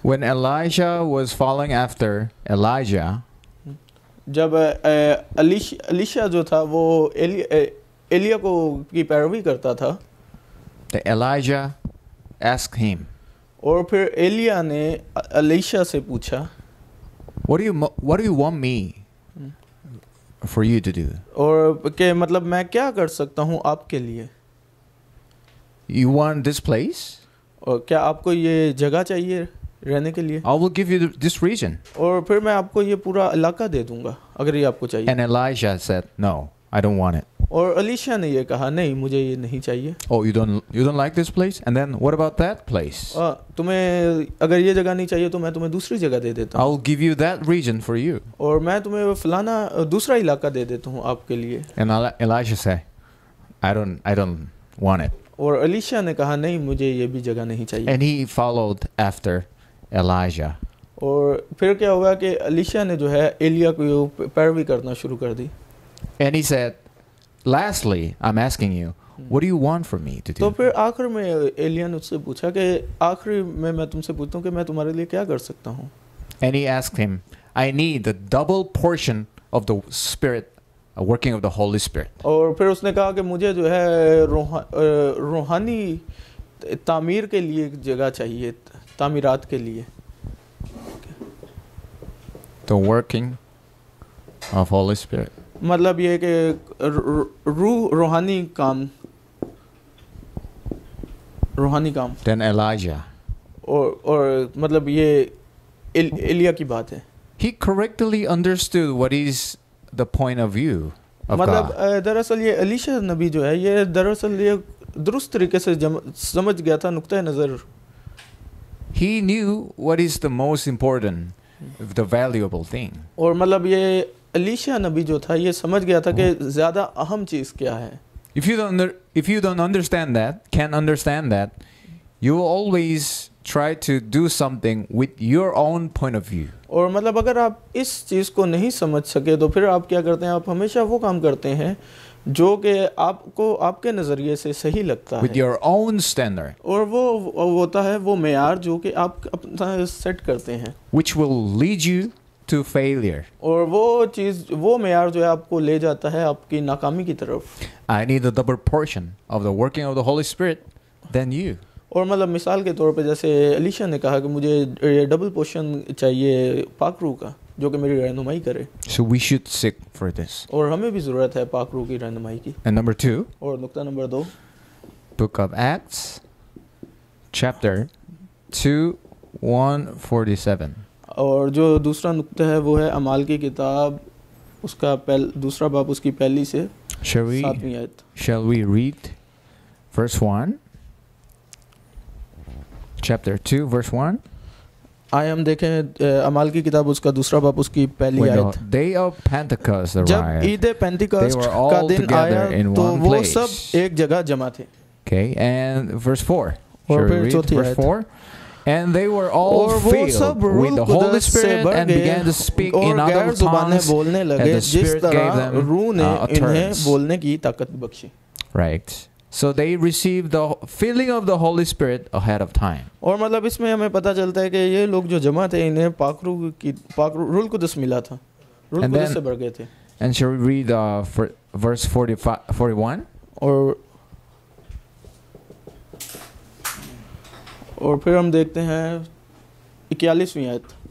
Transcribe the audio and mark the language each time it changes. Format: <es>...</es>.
<en>When Elijah was following after Elijah,</en> <ur>جب علیشا جو تھا وہ ایلیا کو کی پیروی کرتا تھا.</ur> <en>Elijah asked him.</en> <ur>اور پھر ایلیا نے علیشا سے پوچھا.</ur> <en>What do you want me for you to do?</en> <ur>اور کہ مطلب میں کیا کر سکتا ہوں آپ کے لیے.</ur> <en>You want this place?</en> <ur>اور کیا آپ کو یہ جگہ چاہیے رہنے کے لیے؟</ur> <en>I will give you this region.</en> <ur>اور پھر میں آپ کو یہ پورا علاقہ دے دوں گا اگر یہ آپ کو چاہیے.</ur> <en>And Elijah said, no, I don't want it.</en> <ur>اور علیشا نے یہ کہا نہیں مجھے یہ نہیں چاہیے.</ur> <en>Oh, you don't like this place? And then what about that place?</en> <ur>تمہیں اگر یہ جگہ نہیں چاہیے تو میں تمہیں دوسری جگہ دے دیتا ہوں.</ur> <en>I will give you that region for you.</en> <ur>اور میں تمہیں فلانا دوسرا علاقہ دے دیتا ہوں آپ کے لیے.</ur> <en>And Elijah said, I don't want it.</en> <ur>اور علیشا نے کہا نہیں مجھے یہ بھی جگہ نہیں چاہیے.</ur> <en>And he followed after Elijah.</en> <ur>اور پھر کیا ہوا کہ علیشا نے جو ہے ایلیا کو پیروی کرنا شروع کر دی.</ur> <en>And he said, lastly, I'm asking you, what do you want from me to do?</en> <ur>تو پھر آخر میں ایلیا نے اس سے پوچھا کہ آخر میں میں تم سے پوچھتا ہوں کہ میں تمہارے لیے کیا کر سکتا ہوں.</ur> <en>And he asked him, I need the double portion of the spirit, a working of the Holy Spirit.</en> <ur>اور پھر اس نے کہا کہ مجھے جو ہے روحانی تعمیر کے لیے جگہ چاہیے تعمیرات کے لیے.</ur> <en>The working of Holy Spirit.</en> <ur>مطلب یہ کہ روحانی کام روحانی کام.</ur> <en>Then Elijah.</en> <ur>اور مطلب یہ ایلیا کی بات ہے.</ur> <en>He correctly understood what is the point of view of</en> <ur>مطلب دراصل یہ علیشا نبی جو ہے یہ دراصل یہ درست طریقے سے سمجھ گیا تھا نقطہ نظر.</ur> <en>He knew what is the most important, the valuable thing.</en> <ur>اور مطلب یہ علیشا نبی جو تھا یہ سمجھ گیا تھا کہ زیادہ اہم چیز کیا ہے.</ur> <en>If you can't understand that, you will always try to do something with your own point of view.</en> <ur>اور مطلب اگر آپ اس چیز کو نہیں سمجھ سکے تو پھر آپ کیا کرتے ہیں آپ ہمیشہ وہ کام کرتے ہیں جو کہ آپ کو آپ کے نظریے سے صحیح لگتا ہے.</ur> <en>With your own standard.</en> <ur>اور وہ ہوتا ہے وہ معیار جو کہ آپ اپنا سیٹ کرتے ہیں.</ur> <en>Which will lead you to failure.</en> <ur>اور وہ چیز وہ معیار جو ہے آپ کو لے جاتا ہے آپ کی ناکامی کی طرف.</ur> <en>I need a double portion of the working of the Holy Spirit than you.</en> <ur>اور مطلب مثال کے طور پہ جیسے علیشا نے کہا کہ مجھے ڈبل پوشن چاہیے پاک روح کا جو کہ میری رہنمائی کرے.</ur> <en>So we should seek for this.</en> <ur>اور ہمیں بھی ضرورت ہے پاک روح کی رہنمائی کی.</ur> <en>And number two,</en> <ur>اور نقطہ number do,</ur> <en>Book of Acts, chapter 2:147.</en> <ur>اور جو دوسرا نقطہ ہے وہ ہے اعمال کی کتاب اس کا دوسرا باب اس کی پہلی سے ساتویں آیت.</ur> <en>Shall we read verse 1? Chapter 2, verse 1.</en> <ur>آئے ہم دیکھیں اعمال کی کتاب اس کا دوسرا باب اس کی پہلی آیت.</ur> <en>Day of Pentecost arrived.</en> <ur>جب عید پینتیکاست کا دن آیا تو وہ سب ایک جگہ جمع تھے.</ur> <en>Okay, and verse 4.</en> <ur>اور پھر چوتھی آیت.</ur> <en>And they were all filled with the Holy Spirit and began to speak in other tongues. And the Spirit gave them utterance. Right. So they received the filling of the Holy Spirit ahead of time.</en> <ur>اور مطلب اس میں ہمیں پتہ چلتا ہے کہ یہ لوگ جو جمع تھے انہیں پاک روح القدس ملا تھا. روح القدس سے بھر گئے تھے.</ur> <en>And shall we read verse 45, 41?</en> <ur>اور پھر ہم دیکھتے ہیں 41ویں آیت.</ur>